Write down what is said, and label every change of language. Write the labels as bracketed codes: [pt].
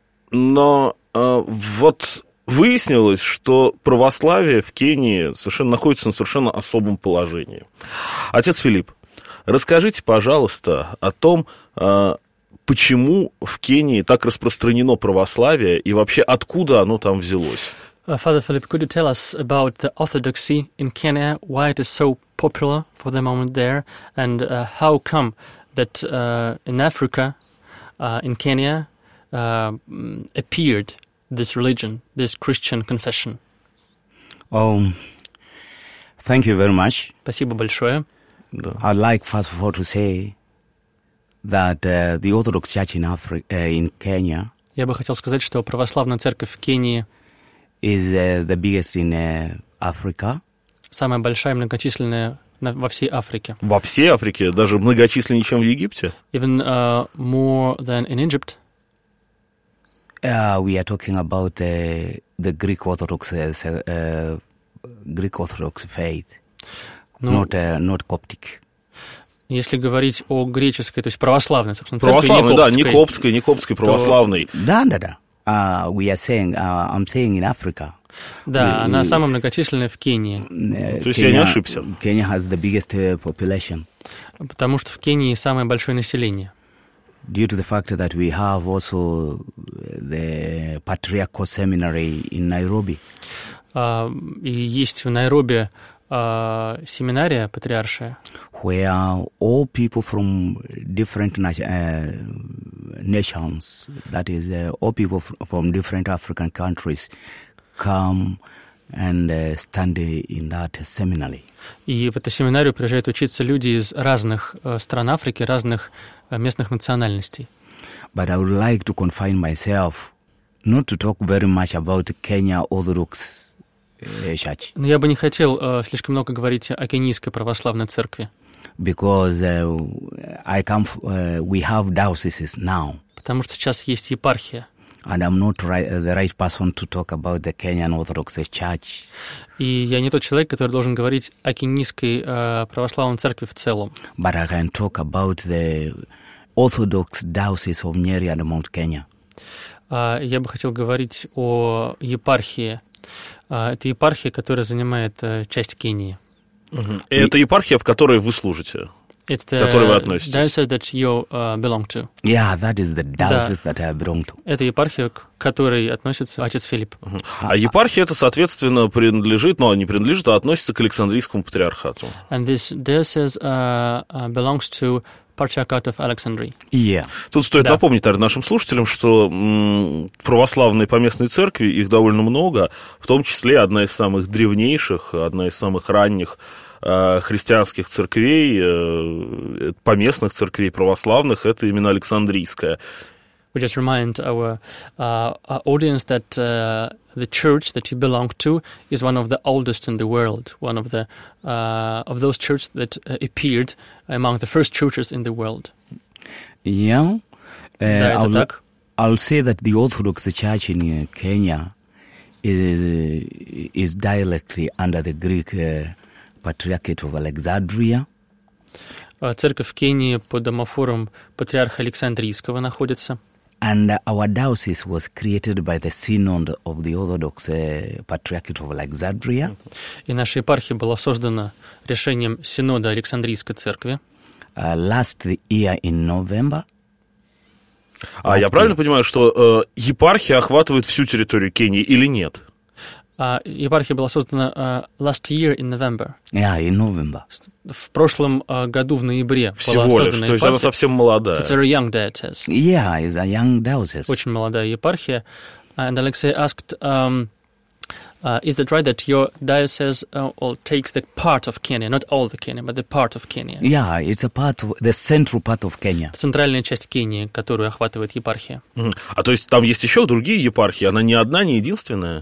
[ru] Но выяснилось, что православие в Кении совершенно находится на совершенно особом положении. Отец Филипп, расскажите, пожалуйста, о том, почему в Кении так распространено православие и вообще откуда оно там взялось. [en] Father Philip, could you tell us about the orthodoxy in Kenya, why it is so popular for the moment there, and how come that in Africa, in Kenya, appeared this religion, this Christian confession? Thank you very much. [ru] Спасибо большое. [en] I'd like first of all to say that the Orthodox Church in Africa, in Kenya, [ru] я бы хотел сказать, что православная церковь в Кении [en] is the biggest in Africa. [ru] Самая большая и многочисленная во всей Африке. Во всей Африке? Даже многочисленнее, чем в Египте? [en] Even more than in Egypt. We are talking about the Greek Orthodox Greek Orthodox faith, not Coptic. [ru] Если говорить о греческой, то есть православной, собственно, православной, да, не коптской, не копской православной. [en] Да. We are saying, I'm saying in Africa. [ru] Да, она самая многочисленная в Кении. То есть я не ошибся. [en] Kenya has the biggest population. [ru] Потому что в Кении самое большое население. [en] Due to the fact that we have also the Patriarchal Seminary in Nairobi. [ru] И есть в Найроби семинария патриаршая. [en] Where all people from different nations, that is, all people from different African countries, come and stand in that seminary. [ru] И в это семинарию приезжают учиться люди из разных стран Африки, разных местных национальностей. [en] But I would like to confine myself not to talk very much about Kenya Orthodox Church. [ru] Но я бы не хотел слишком много говорить о Кенийской православной церкви. [en] Because I come, we have dioceses now. [ru] Потому что сейчас есть епархия. [en] And I'm not the right person to talk about the Kenyan Orthodox Church. [ru] И я не тот человек, который должен говорить о Кенийской православной церкви в целом. [en] But I can talk about the Orthodox diocese of Nyeri and Mount Kenya. [ru] Я бы хотел говорить о епархии. Это епархия, которая занимает часть Кении. Uh-huh. И это епархия, в которой вы служите. [en] It's the diocese that you belong to. Yeah, that is the diocese that I belong to. [ru] Это епархия, к которой относится отец Филипп. А епархия это, соответственно, принадлежит, но не принадлежит, а относится к Александрийскому патриархату. [en] And this diocese belongs to Patriarchate of Alexandria. Yeah. [ru] Тут стоит напомнить, наверное, нашим слушателям, что православные поместные церкви, их довольно много, в том числе одна из самых древнейших, одна из самых ранних христианских церквей, поместных церквей православных, это именно Александрийская. [en] We just remind our audience that the church that you belong to is one of the oldest in the world, one of the of those churches that appeared among the first churches in the world. Yeah. [ru] Да, это так. [en] I'll say that the Orthodox Church in Kenya is directly under the Greek Patriarchate of Alexandria. [ru] Церковь в Кении под Амафором Патриарха Александрийского находится. [en] And our diocese was created by the synod of the Orthodox Patriarchate of Alexandria. [ru] И наша епархия была создана решением синода Александрийской церкви. [en] Last year in November. [ru] А я правильно понимаю, что епархия охватывает всю территорию Кении или нет? Епархия была создана [en] last year in November. Yeah, in November. [ru] В прошлом году, в ноябре, всего была создана епархия. То есть она совсем молодая. [en] It's a young diocese. Yeah, it's a young diocese. [ru] Очень молодая епархия. [en] And Alexei asked, is it right that your diocese all takes the part of Kenya, not all the Kenya, but the part of Kenya? Yeah, it's a part of the central part of Kenya. [ru] Центральная часть Кении, которую охватывает епархия. А то есть там есть еще другие епархии, она не одна, не единственная.